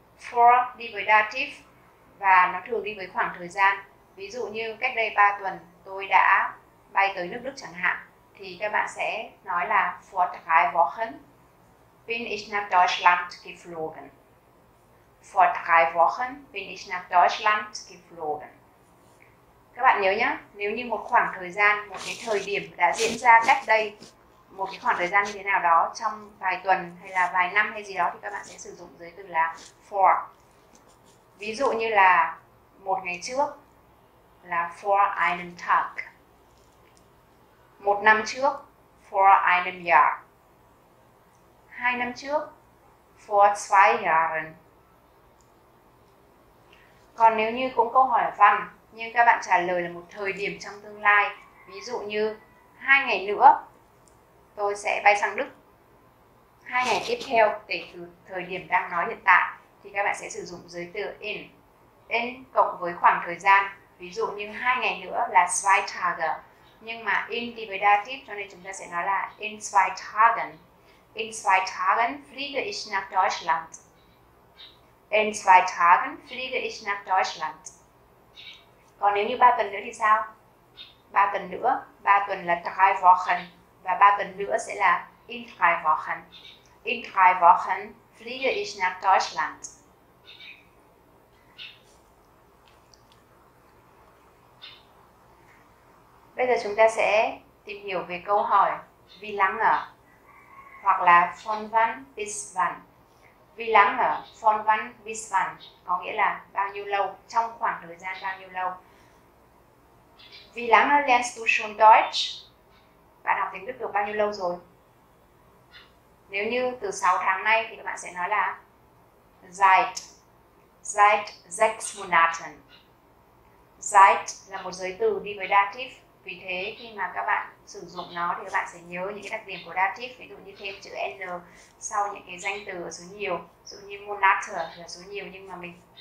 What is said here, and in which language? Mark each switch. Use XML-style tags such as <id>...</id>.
<vi>Vor đi với dative và nó thường đi với khoảng thời gian. Ví dụ như cách đây 3 tuần tôi đã bay tới nước Đức chẳng hạn, thì các bạn sẽ nói là</vi> <de>vor drei Wochen bin ich nach Deutschland geflogen. Vor drei Wochen bin ich nach Deutschland geflogen.</de> <vi>Các bạn nhớ nhé, nếu như một khoảng thời gian, một cái thời điểm đã diễn ra cách đây một cái khoảng thời gian như thế nào đó, trong vài tuần hay là vài năm hay gì đó, thì các bạn sẽ sử dụng giới từ là vor. Ví dụ như là một ngày trước là</vi> <de>vor einem Tag,</de> <vi>một năm trước</vi> <de>vor einem Jahr,</de> <vi>hai năm trước</vi> <de>vor zwei Jahren.</de> <vi>Còn nếu như cũng câu hỏi văn nhưng các bạn trả lời là một thời điểm trong tương lai, ví dụ như hai ngày nữa tôi sẽ bay sang Đức, hai ngày tiếp theo kể từ thời điểm đang nói hiện tại, thì các bạn sẽ sử dụng giới từ in. In cộng với khoảng thời gian, ví dụ như hai ngày nữa là</vi> <de>zwei Tage,</de> <vi>nhưng mà in đi với dative cho nên chúng ta sẽ nói là</vi> <de>in zwei Tagen. In zwei Tagen fliege ich nach Deutschland. In zwei Tagen fliege ich nach Deutschland.</de> <vi>Còn nếu như 3 tuần nữa thì sao? 3 tuần nữa, 3 tuần là</vi> <de>drei Wochen,</de> <vi>và 3 tuần nữa sẽ là</vi> <de>in drei Wochen. In drei Wochen fliege ich nach Deutschland.</de> <vi>Bây giờ chúng ta sẽ tìm hiểu về câu hỏi wie lange, hoặc là</vi> <de>von wann bis wann. Wie lange, von wann bis wann,</de> <vi>có nghĩa là bao nhiêu lâu, trong khoảng thời gian bao nhiêu lâu.</vi> <de>Wie lange lernst du schon Deutsch?</de> <vi>Bạn học tiếng Đức được bao nhiêu lâu rồi? Nếu như từ 6 tháng nay thì các bạn sẽ nói là</vi> <de>seit sechs Monaten.</de> <vi>Seit là một giới từ đi với dative, vì thế khi mà các bạn sử dụng nó thì các bạn sẽ nhớ những cái đặc điểm của dative, ví dụ như thêm chữ n sau những cái danh từ ở số nhiều, ví dụ như Monate là số nhiều, nhưng mà mình</vi>